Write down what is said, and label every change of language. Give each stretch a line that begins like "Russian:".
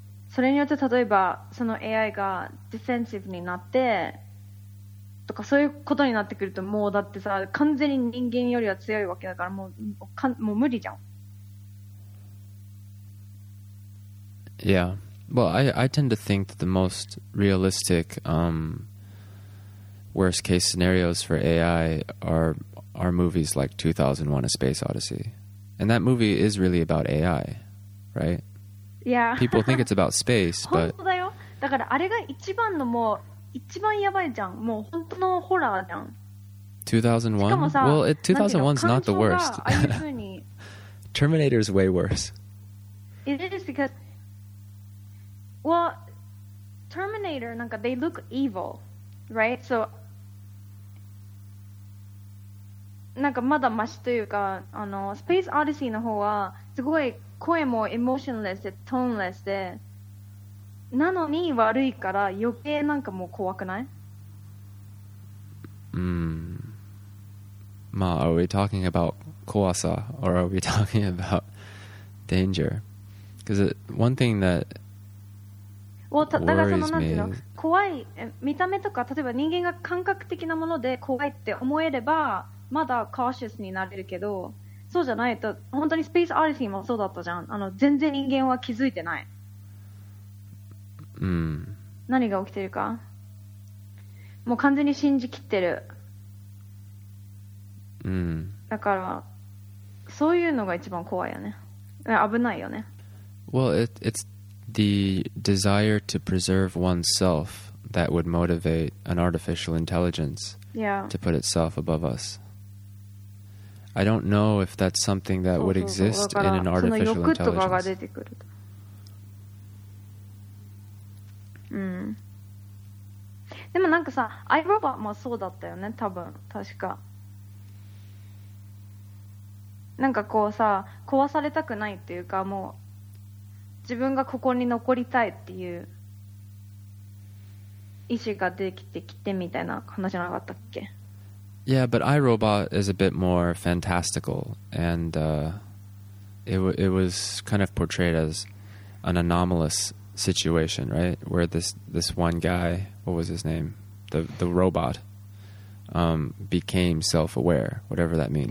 Japanese: それによって例えばその AI がディフェンシブになってとか、そういうことになってくると、もうだってさ完全に人間よりは強いわけだから、もう無理じゃん。
English: Yeah. Well, I tend to think that the most realistic worst case scenarios for AI are movies like 2001 A Space Odyssey. And that movie is really about AI, right? Yeah. People think it's about space, but...
Japanese: 本当だよ。だからあれが一番のもう、一番やばいじゃん。もう本当のホラーじゃん。
English: 2001? Well, 2001's not the worst. Terminator's way worse. It is because... Well, Terminator, なんか they look evil, right? So...
Japanese: なんかまだマシというか、あのスペースオディシーの方はすごい声もエモーションレスでトーンレスで、なのに悪いから余計なんかもう怖くない？
English: まあ、are we talking about 怖さ or are we talking about danger? Because one thing that worries me is
Japanese: 怖い見た目とか、例えば人間が感覚的なもので怖いって思えればまだ cautious になれるけど、そうじゃないと本当に Space Odyssey もそうだったじゃん、あの全然人間は気づいてない、うん、何が起きてるか、もう完全に信じきってる、うん、だからそういうのが一番怖いよね、危ないよね。
English: Well, it's the desire to preserve oneself that would motivate an artificial intelligence、 yeah. to put itself above us. I don't know if that's something that would exist in an artificial intelligence.
Japanese: でもなんかさ、iRobot もそうだったよね、多分、確か。なんかこうさ、壊されたくないっていうか、もう自分がここに残りたいっていう意思ができてきてみたいな話じゃなかったっけ？
English: Yeah, but iRobot is a bit more fantastical, and it was kind of portrayed as an anomalous situation, right? Where this one guy, what was his name? The robot became self-aware, whatever that means.